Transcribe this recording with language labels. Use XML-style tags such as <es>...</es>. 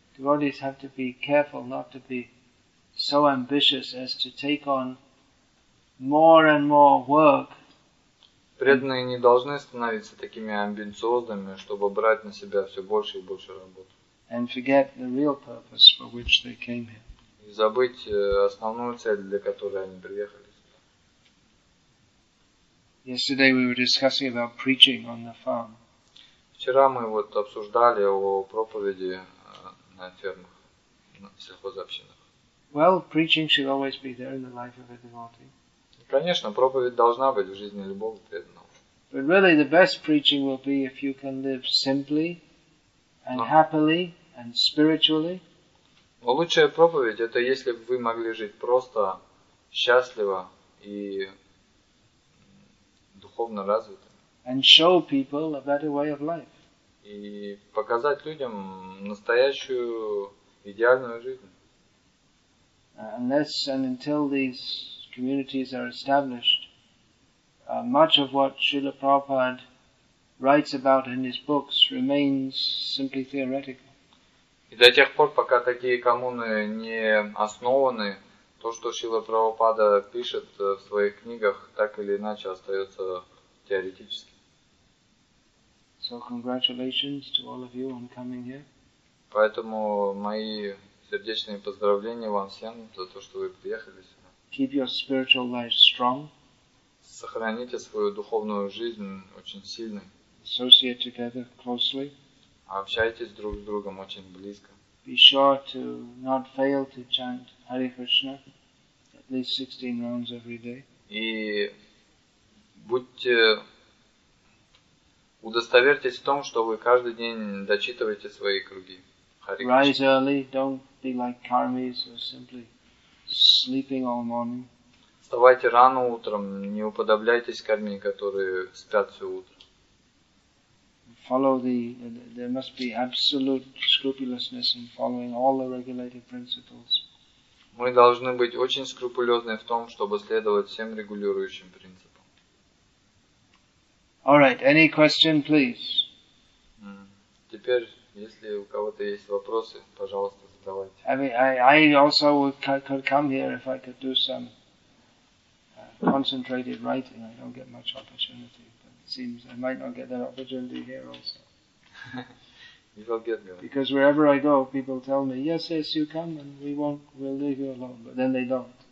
<en>Devotees have to be careful not to be so ambitious as to take on more and more work.</en> <ru>Преданные не должны становиться такими амбициозными, чтобы брать на себя все больше и больше работы.</ru> <en>And forget the real purpose for which they came here.</en> <ru>И забыть основную цель, для которой они приехали.</ru> <en>Yesterday we were discussing about preaching on the farm.</en> <ru>Вчера мы вот обсуждали о проповеди на фермах, на сельхозобщинах.</ru> <en>Well, preaching should always be there in the life of a devotee.</en> <ru>Конечно, проповедь должна быть в жизни любого преданного.</ru> <en>But really, the best preaching will be if you can live simply and happily and spiritually.</en> <ru>Но лучшая проповедь это если бы вы могли жить просто, счастливо и духовно развитым.</ru> <en>And show people a better way of life.</en> <ru>И показать людям настоящую идеальную жизнь.</ru> <en>Unless and until these communities are established, much of what Srila Prabhupada writes about in his books remains simply theoretical.</en> <ru>И до тех пор, пока такие коммуны не основаны, то, что Шрила Прабхупада пишет в своих книгах, так или иначе остается теоретическим.</ru> <en>So congratulations to all of you on coming here.</en> <ru>Поэтому мои сердечные поздравления вам всем за то, что вы приехали сюда.</ru> <en>Keep your spiritual life strong.</en> <ru>Сохраните свою духовную жизнь очень сильной.</ru> <en>Associate together closely.</en> <ru>Общайтесь друг с другом очень близко.</ru> <en>Be sure to not fail to chant Hare Krishna at least 16 rounds every day.</en> <ru>И будьте, удостоверьтесь в том, что вы каждый день дочитываете свои круги.</ru> <en>Rise early, don't be like karmis, or simply sleeping all morning.</en> <ru>Вставайте рано утром, не уподобляйтесь карми, которые спят все утро.</ru> <en>Follow the, there must be absolute scrupulousness in following all the regulated principles.</en> <ru>Мы должны быть очень скрупулезны в том, чтобы следовать всем регулирующим принципам.</ru> <en>All right, any question, please?</en> <ru>Теперь, если у кого-то есть вопросы, пожалуйста, задавайте.</ru> <en>I also could come here if I could do some concentrated writing. I don't get much opportunity, but it seems I might not get that opportunity here also. Because wherever I go, people tell me, yes, you come and we'll leave you alone. But then they don't.</en>